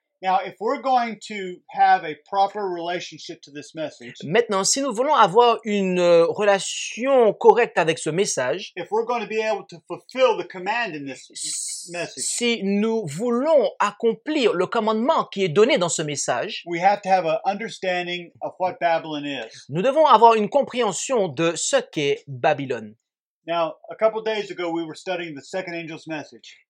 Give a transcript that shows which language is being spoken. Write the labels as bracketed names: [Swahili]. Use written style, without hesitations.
[English] Now, if we're going to have a proper relationship to this message, [French] maintenant, si nous voulons avoir une relation correcte avec ce message, [English] if we're going to be able to fulfill the command in this message, [French] si nous voulons accomplir le commandement qui est donné dans ce message, [English] we have to have an understanding of what Babylon is. [French] Nous devons avoir une compréhension de ce qu'est Babylone. [English] Now, a couple days ago, we were studying the second angel's message.